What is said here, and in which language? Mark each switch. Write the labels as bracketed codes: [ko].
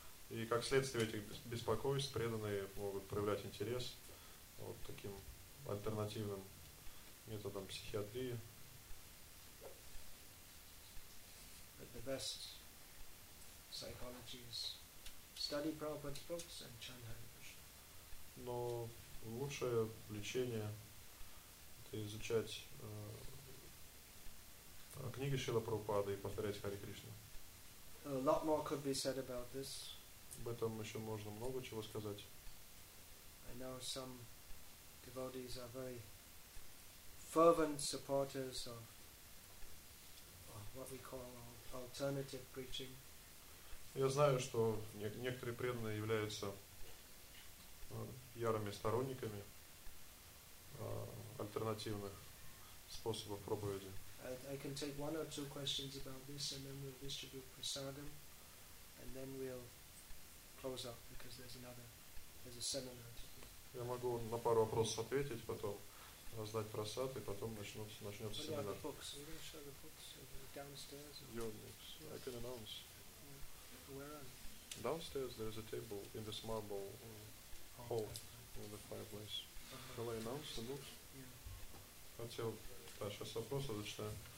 [ru] И как следствие этих беспокойств преданные могут проявлять интерес вот таким альтернативным методом психиатрии. [en] But the best psychology is study Prabhupada's books and chant Hare Krishna. [ru] Но лучшее лечение это изучать книги Шрила Прабхупады и повторять Хари Кришна. [en] A lot more could be said about this. [ru] Об этом еще можно много чего сказать. [en] I know some devotees are very fervent supporters of what we call alternative preaching. [ru] Я знаю, что некоторые преданные являются ярыми сторонниками альтернативных способов проповеди. [en] I can take one or two questions about this and then we'll distribute prasadam and then we'll close up because there's a seminar. [ru] Я могу на пару вопросов ответить, потом раздать прасад и потом начнется семинар. [en] I can announce. Where are you? Downstairs there is a table in this marble hall in the fireplace. Shall I announce the books? Yeah. [ru] Хотел, да, сейчас вопросы зачитаю.